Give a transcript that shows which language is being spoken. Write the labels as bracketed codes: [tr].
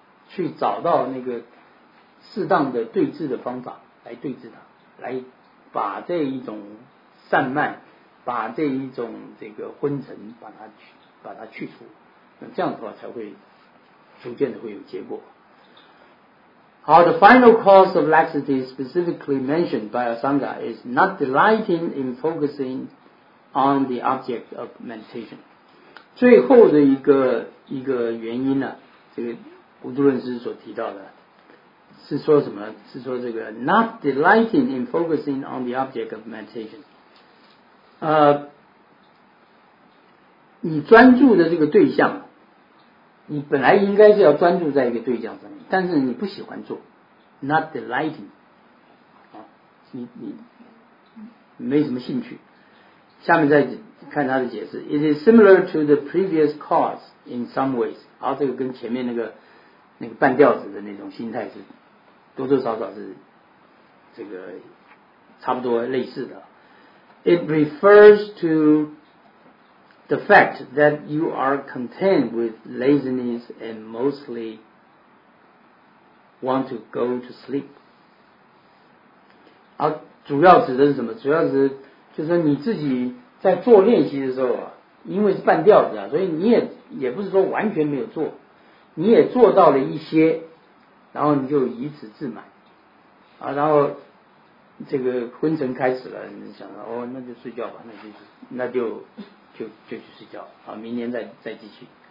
[zh] 去找到那个适当的对治的方法来对治它，来把这一种散漫，把这一种这个昏沉，把它去除，那这样的话才会逐渐的会有结果。好 [en] ，the final cause of laxity specifically mentioned by Asanga is not delighting in focusing on the object of meditation。 [zh] 最后的一个原因呢，这个。无度论师所提到的是说什么，是说这个 [en] not delighting in focusing on the object of meditation， [zh] 你专注的这个对象，你本来应该是要专注在一个对象上面，但是你不喜欢做 [en] not delighting， [zh] 你没什么兴趣。下面再看他的解释， [en] it is similar to the previous cause in some ways。 [zh] 好，这个跟前面那个半吊子的那种心态是多多少少是这个差不多类似的。 [en] It refers to the fact that you are content with laziness and mostly want to go to sleep。 [zh] 啊，主要指的是什么？主要指就是你自己在做练习的时候啊，因为是半吊子啊，所以你也不是说完全没有做，你也做到了一些，然后你就以此自满啊，然后这个昏沉开始了，你想说哦，那就睡觉吧，那就去睡觉啊，明天再继续。